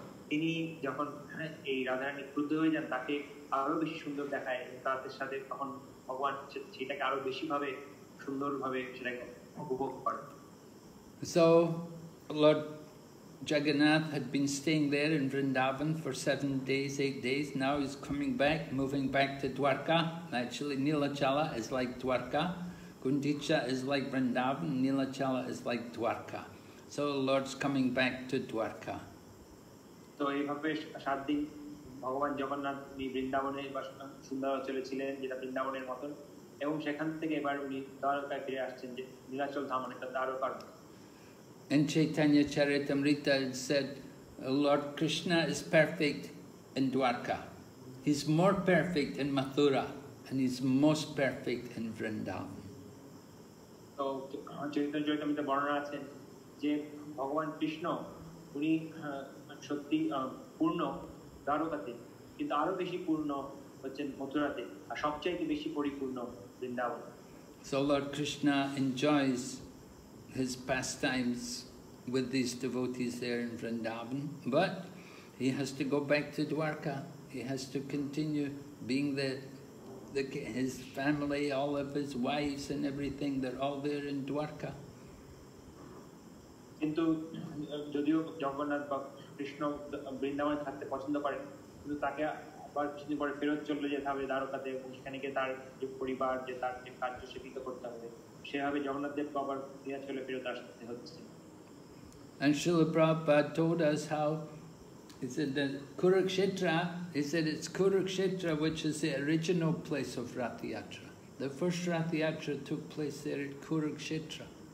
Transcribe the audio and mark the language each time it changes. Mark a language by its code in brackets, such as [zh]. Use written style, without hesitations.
[bn] তিনি যখন এই রাধারানী ক্রুদ্ধ হয়ে যান তাকে আরো বেশি সুন্দর দেখায়, তাদের সাথে তখন ভগবান সেটাকে আরো বেশি ভাবে সুন্দর ভাবে সেটাকে উপভোগ করে। [en] So Lord Jagannath had been staying there in Vrindavan for 7 days, 8 days. Now he's coming back, moving back to Dwarka. Actually, Nilachala is like Dwarka. Gundica is like Vrindavan. Nilachala is like Dwarka. So Lord's coming back to Dwarka. [bn] তো এইভাবে 7 দিন ভগবান জগন্নাথ উনি বৃন্দাবনে বা সুন্দরাচলে ছিলেন, যেটা বৃন্দাবনের মতন, এবং সেখান থেকে এবার উনি দ্বারকায় ফিরে আসছেন, যে নীলাচল ধাম অনেকটা দ্বারকার। [en] In Chaitanya Charitamrita it said, Lord Krishna is perfect in Dwarka. He's more perfect in Mathura and he's most perfect in Vrindavan. [bn] তো Chaitanya Charitamrita বর্ণনা আছেন যে ভগবান কৃষ্ণ উনি সত্যি পূর্ণ দ্বারকাতে, কিন্তু আরো বেশি পূর্ণ হচ্ছেন মথুরাতে, আর সবচাইতে বেশি পরিপূর্ণ Vrindavan. [en] So Lord Krishna enjoys his pastimes with these devotees there in Vrindavan, but he has to go back to Dwarka. He has to continue being the his family, all of his wives and everything, they're all there in Dwarka. [bn] কিন্তু যদিও জগন্নাথ বা কৃষ্ণ বৃন্দাবনে থাকতে পছন্দ করেন কিন্তু তাকে আবার কিছুদিন পরে ফেরত চলে যেতে হবে দ্বারকাতে এবং সেখানে গিয়ে তার যে পরিবার যে তার যে কার্য সেটিকে করতে হবে সেভাবে জগন্নাথ দেবকে আবার নীলাচলে ফেরত আসতে হচ্ছে [en] And Srila Prabhupada told us how he said that Kurukshetra, he said it's Kurukshetra which is the original place of Ratha Yatra. The first Ratha Yatra took place there at Kurukshetra.